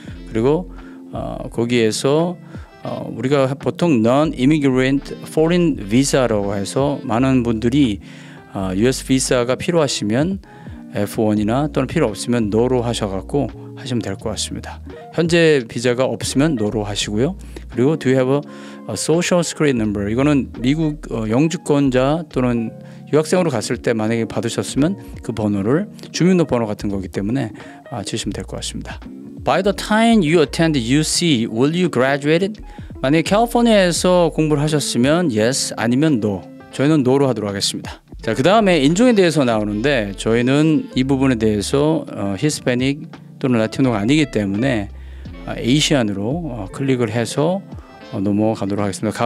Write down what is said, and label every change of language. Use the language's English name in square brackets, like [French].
[Korean] 그리고 거기에서 우리가 보통 non-immigrant foreign visa라고 해서 많은 분들이 US visa가 필요하시면 F1이나 또는 필요 없으면 no로 하셔갖고 하시면 될 것 같습니다. 현재 비자가 없으면 no로 하시고요. 그리고 [English] do you have a social security number? [Korean] 이거는 미국 영주권자 또는 유학생으로 갔을 때 만약에 받으셨으면 그 번호를 주민등록번호 같은 거기 때문에 주시면 될 것 같습니다. [English] By the time you attend UC, will you graduate? [Korean] 만약에 캘리포니아에서 공부를 하셨으면 yes 아니면 no. 저희는 no로 하도록 하겠습니다. 자, 그 다음에 인종에 대해서 나오는데 저희는 이 부분에 대해서 히스패닉 또는 라티노가 아니기 때문에 아시안으로 클릭을 해서 넘어가도록 하겠습니다.